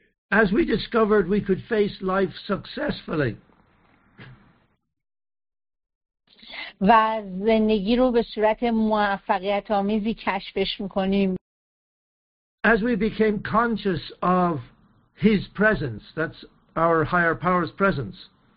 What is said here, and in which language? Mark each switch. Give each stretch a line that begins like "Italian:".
English: As we discovered we could face life successfully.
Persian: و زندگی رو به صورت موفقیت آمیزی کشفش میکنیم.
English: As we became conscious of his presence, that's our higher power's presence.